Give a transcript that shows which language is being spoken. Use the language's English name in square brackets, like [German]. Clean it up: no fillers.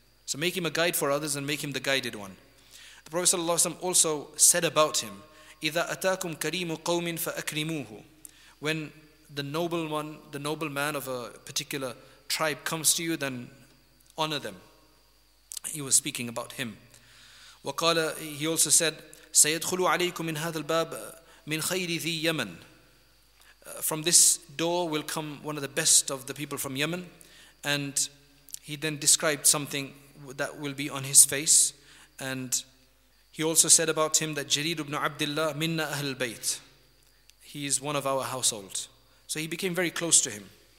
[English] So make him a guide for others and make him the guided one. The Prophet sallallahu alaihi wasallam also said about him, [Arabic] إِذَا أَتَاكُمْ كَرِيمُ قَوْمٍ فَأَكْرِمُوهُ. [English] When the noble one, the noble man of a particular tribe comes to you, then honor them. He was speaking about him. [Arabic] وَقَالَ, [English] he also said, [Arabic] سَيَدْخُلُ عَلَيْكُمْ مِنْ هَذَا الْبَابِ مِنْ خَيْرِ ذِي يَمَنْ. [English] From this door will come one of the best of the people from Yemen. And he then described something that will be on his face. And he also said about him that Jarir ibn Abdullah [Arabic] minna ahl bayt. [English] He is one of our household. So he became very close to him.